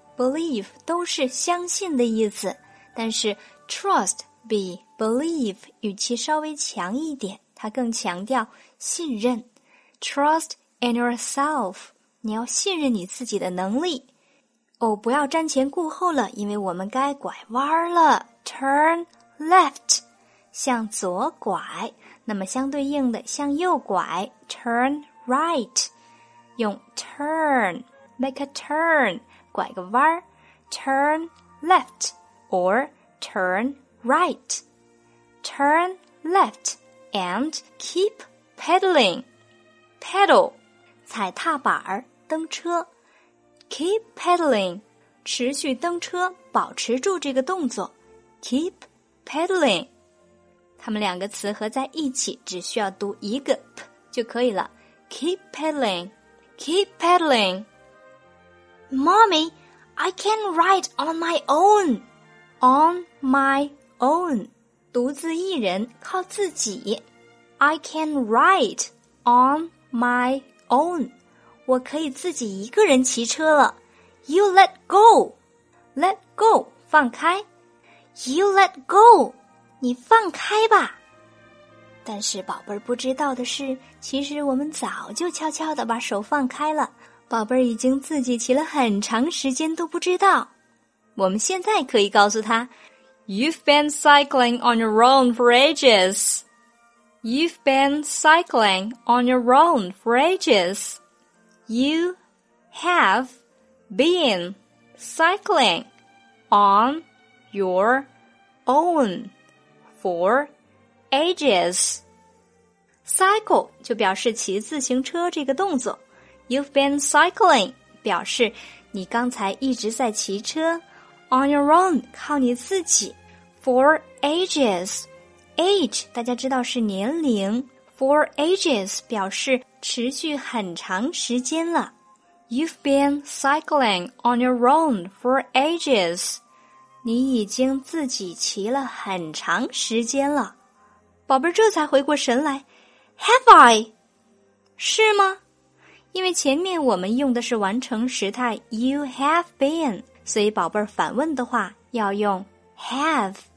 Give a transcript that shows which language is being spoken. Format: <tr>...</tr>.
<zh>believe 都是相信的意思，但是 trust 比 believe 语气稍微强一点，它更强调信任。</zh> <en>Trust in yourself，</en> <zh>你要信任你自己的能力。哦，不要瞻前顾后了，因为我们该拐弯了。</zh> <en>Turn left，</en> <zh>向左拐。那么相对应的向右拐，</zh> <en>Turn right， 用 turn， make a turn，</en> <zh>拐个弯，</zh> <en>Turn left or turn right， Turn left and keep pedaling， pedal</en> <zh>踩踏板蹬车，</zh> <en>Keep pedaling</en> <zh>持续蹬车，保持住这个动作，</zh> <en>Keep pedaling。</en> <zh>他们两个词合在一起只需要读一个 p 就可以了。</zh> <en>Keep pedaling, keep pedaling. Mommy, I can ride on my own. On my own.</en> <zh>独自一人靠自己。</zh> <en>I can ride on my own.</en> <zh>我可以自己一个人骑车了。</zh> <en>You let go. Let go,</en> <zh>放开。</zh> <en>You let go.</en> <zh>你放开吧。但是宝贝儿不知道的是，其实我们早就悄悄地把手放开了，宝贝儿已经自己骑了很长时间都不知道。我们现在可以告诉他，</zh> <en>You've been cycling on your own for ages. You've been cycling on your own for ages. You have been cycling on your own. For ages.</en> <zh>Cycle 就表示骑自行车这个动作。</zh> <en>You've been cycling</en> <zh>表示你刚才一直在骑车。</zh> <en>On your own</en> <zh>靠你自己。</zh> <en>For ages.</en> <zh>Age 大家知道是年龄。</zh> <en>For ages</en> <zh>表示持续很长时间了。</zh> <en>You've been cycling on your own for ages.</en> <zh>你已经自己骑了很长时间了。宝贝这才回过神来，</zh> <en>Have I?</en> <zh>是吗？因为前面我们用的是完成时态</zh> <en>You have been，</en> <zh>所以宝贝反问的话要用 Have。</zh>